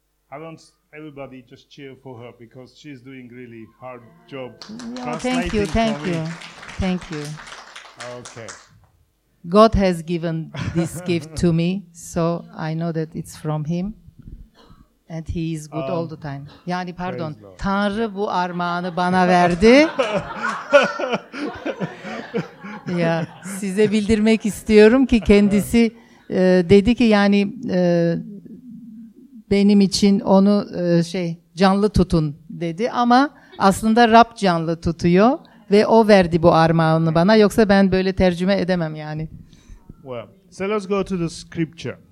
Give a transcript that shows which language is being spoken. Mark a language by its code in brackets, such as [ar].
[en] I want everybody just cheer for her because she's doing really hard job. Yeah, thank you. Okay. God has given this gift to me, so I know that it's from Him, and He is good all the time. [tr] Yani pardon, Tanrı bu armağanı bana verdi. Ya size bildirmek istiyorum ki kendisi dedi ki yani benim için onu canlı tutun dedi ama aslında Rab canlı tutuyor ve o verdi bu armağanı bana, yoksa ben böyle tercüme edemem yani. [en] Well, so let's go to the scripture.